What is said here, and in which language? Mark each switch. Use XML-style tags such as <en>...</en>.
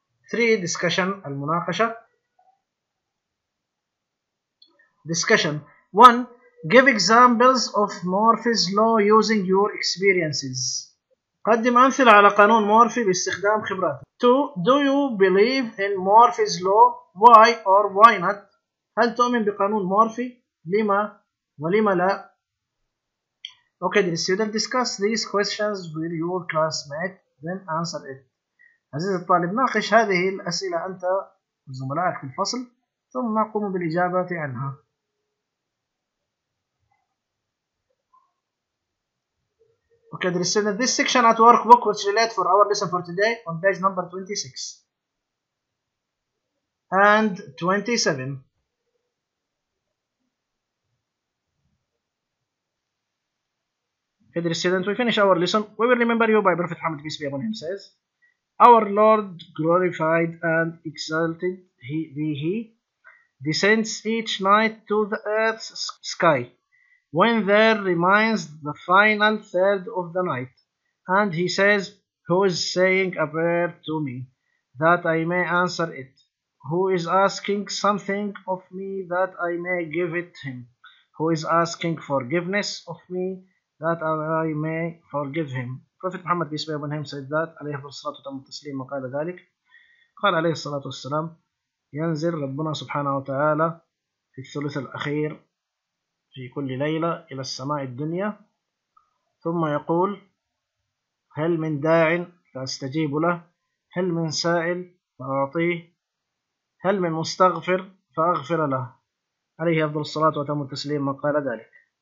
<en>3 discussion</en> <ar>المناقشة.</ar> <en>Discussion 1. Give examples of Morphy's law using your experiences.</en> <ar>قدم أمثلة على قانون مورفي باستخدام خبراتك.</ar> <en>2. Do you believe in Morphy's law? Why or why not?</en> <ar>هل تؤمن بقانون مورفي؟ لما ولما لا؟</ar> <en>Okay, the student discuss these questions with your classmate, then answer it.</en> <ar>عزيز الطالب ناقش هذه الأسئلة أنت وزملائك في الفصل ثم نقوم بالإجابة عنها.</ar> <en>Okay, the student this section at workbook which relate for our lesson for today on page number 26 and 27. Hey dear student, we finish our lesson. We will remember you by Prophet Muhammad, peace be upon him, says, Our Lord glorified and exalted be he, descends each night to the earth's sky, when there remains the final third of the night. And he says, Who is saying a prayer to me, that I may answer it? Who is asking something of me, that I may give it him? Who is asking forgiveness of me, that I may forgive him. Prophet Muhammad peace be upon him said that</en> <ar>عليه الصلاة والتسليم وقال ذلك قال عليه الصلاة والسلام ينزل ربنا سبحانه وتعالى في الثلث الأخير في كل ليلة إلى السماء الدنيا ثم يقول هل من داع فأستجيب له هل من سائل فأعطيه هل من مستغفر فأغفر له عليه الصلاة والتسليم وقال ذلك</ar>